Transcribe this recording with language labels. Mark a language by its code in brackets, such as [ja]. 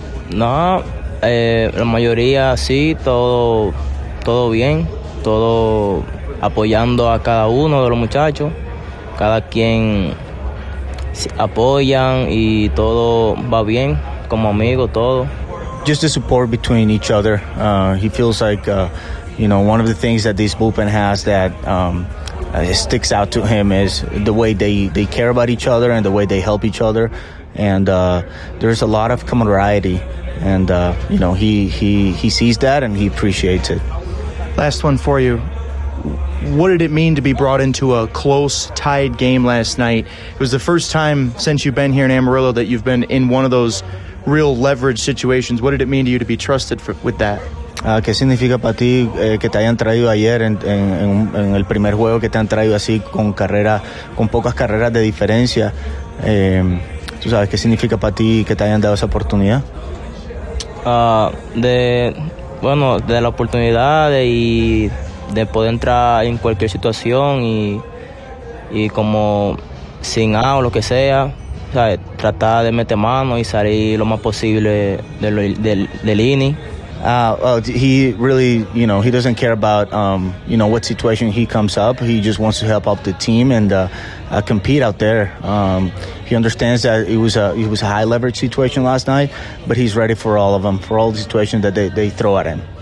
[es] La mayoría sí, todo bien, todo apoyando a cada uno de los muchachos, cada quien apoyan y todo va bien, como amigo, todo. [en] Just the support between each other. He feels like, you know, one of the things that this bullpen has that it sticks out to him is the way they care about each other and the way they help each other. And there's a lot of camaraderie. And, you know, he sees that and he appreciates it. Last one for you. What did it mean to be brought into a close, tied game last night? It was the first time since you've been here in Amarillo that you've been in one of those real leverage situations. What did it mean to you to be trusted with that? [es] ¿Qué significa para ti que te hayan traído ayer en el primer juego, que te han traído así con carrera, con pocas carreras de diferencia? ¿Tú sabes qué significa para ti que te hayan dado esa oportunidad? De la oportunidad y de poder entrar en cualquier situación y como sin A o lo que sea, ¿sabes? Tratar de meter mano y salir lo más posible del inning. [en] He really, you know, he doesn't care about, you know, what situation he comes up. He just wants to help out the team and compete out there. He understands that it was a high leverage situation last night, but he's ready for all of them, for all the situations that they throw at him.